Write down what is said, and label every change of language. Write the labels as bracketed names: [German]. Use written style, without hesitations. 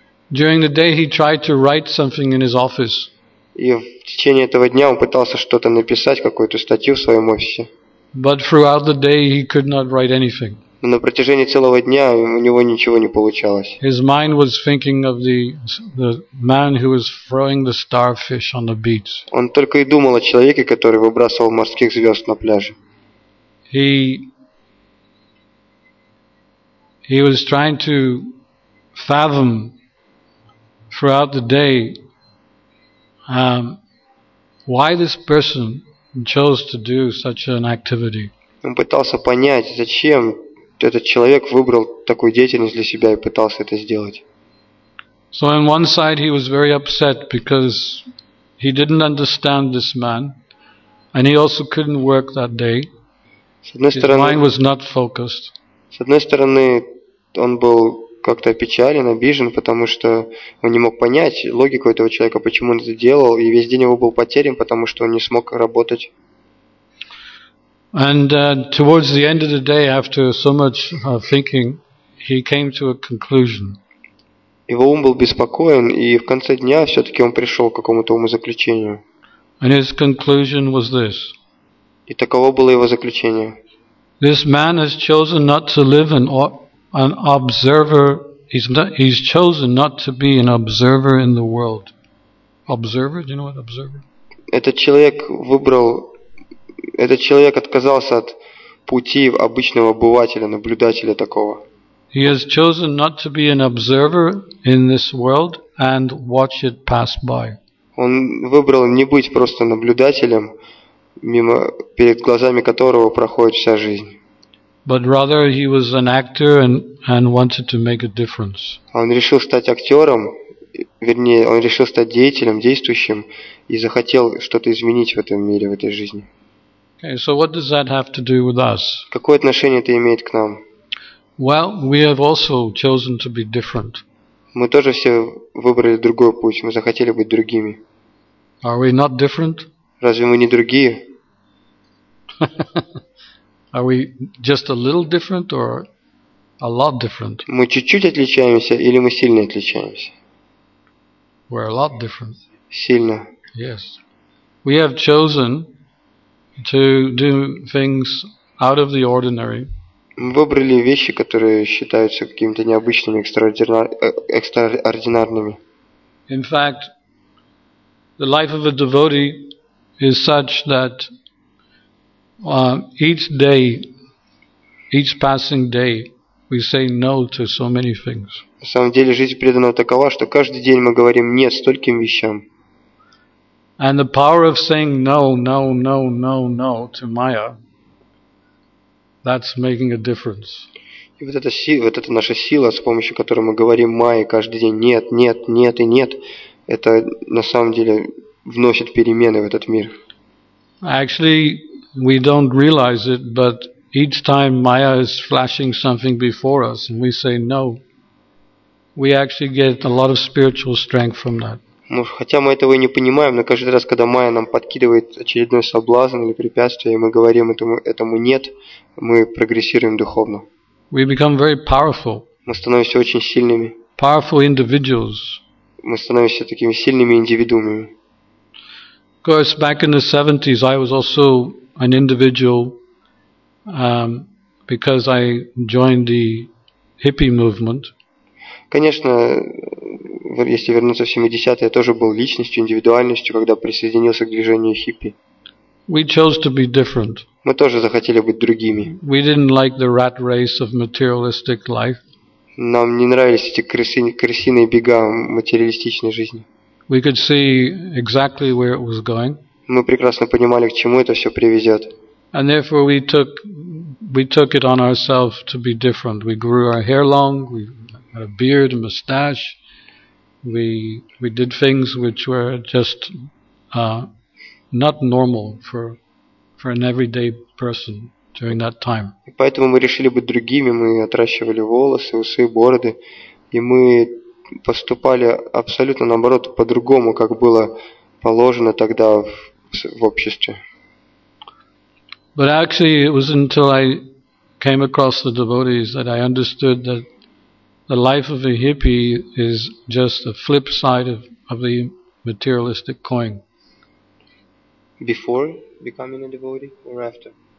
[English] During the day he tried to write something in his office. [Russian] И в течение этого дня он пытался что-то написать, какую-то статью в своем офисе. [English] But throughout the day he could not write anything. [Russian] Но на протяжении целого дня у него ничего не получалось. [English] His mind was thinking of the man who was throwing the starfish on the beach. [Russian] Он только и думал о человеке, который выбрасывал морских звезд на пляже. [English] He was trying to fathom throughout the day why this person chose to do such an activity. [Russian] Он пытался понять, зачем этот человек выбрал такую деятельность для себя и пытался это сделать. [English] So on one side he was very upset because he didn't understand this man, and he also couldn't work that day. His mind was not focused. [Russian] С одной стороны, он был как-то опечален, обижен, потому что он не мог понять логику этого человека, почему он это делал, и весь день его был потерян, потому что он не смог работать. [English] And towards the end of the day, after so much thinking, he came to a conclusion. [Russian] Его ум был беспокоен, и в конце дня все-таки он пришел к какому-то умозаключению. [English] And his conclusion was this. [Russian] И таково было его заключение. [English] This man has chosen not to live an observer. He's chosen not to be an observer in the world. Observer? Do you know what observer? [Russian] Этот человек выбрал. Этот человек отказался от пути обычного обывателя, наблюдателя такого. [English] He has chosen not to be an observer in this world and watch it pass by. [Russian] Он выбрал не быть просто наблюдателем, мимо перед глазами которого проходит вся жизнь. [English] But rather he was an actor and wanted to make a difference. [Russian] Он решил стать актером, вернее, он решил стать деятелем, действующим, и захотел что-то изменить в этом мире, в этой жизни. [English] Okay, so what does that have to do with us? [Russian] Какое отношение это имеет к нам? [English] Well, we have also chosen to be different. [Russian] Мы тоже все выбрали другой путь, мы захотели быть другими. [English] Are we not different? [Russian] Разве мы не другие? [English] Are we just a little different or a lot different? [Russian] Мы чуть-чуть отличаемся или мы сильно отличаемся? [English] We're a lot different. [Russian] Сильно. [English] Yes. We have chosen to do things out of the ordinary. [Russian] Мы выбрали вещи, которые считаются какими-то необычными, экстраординарными. [English] In fact, the life of a devotee is such that each day, each passing day, we say no to so many things. [Russian] На самом деле, жизнь преданного такова, что каждый день мы говорим нет стольким вещам. [English] And the power of saying no, no, no, no, no to Maya, that's making a difference. [Russian] И вот эта сила, вот эта наша сила, с помощью которой мы говорим Майе каждый день нет, нет, нет и нет, это на самом деле вносит перемены в этот мир. [English] Actually, we don't realize it, but Each time Maya is flashing something before us and we say no, we actually get a lot of spiritual strength from that. [Russian] Ну, хотя мы этого и не понимаем, но каждый раз, когда Майя нам подкидывает очередной соблазн или препятствие, и мы говорим этому нет, мы прогрессируем духовно. [English] We become very powerful. [Russian] Мы становимся очень сильными. [English] Powerful individuals. [Russian] Мы становимся такими сильными индивидуумами. [English] Of course, back in the 70s, I was also an individual because I joined the hippie movement. [Russian] Конечно, если вернуться в 70-е, я тоже был личностью, индивидуальностью, когда присоединился к движению хиппи. [English] We chose to be different. [Russian] Мы тоже захотели быть другими. [English] We didn't like the rat race of materialistic life. [Russian] Нам не нравились эти крысиные бега материалистичной жизни. [English] We could see exactly where it was going. [Russian] Мы прекрасно понимали, к чему это все приведет. [English] And therefore we took it on ourselves to be different. We grew our hair long, we had a beard, a mustache. We did things which were just not normal for an everyday person during that time. [Russian] Поэтому мы решили быть другими, мы отращивали волосы, усы, бороды, и мы поступали абсолютно наоборот по-другому, как было положено тогда в обществе. [English] But actually it was until I came across the devotees that I understood that the life of a hippie is just a flip side of the materialistic coin. Before becoming a devotee or after?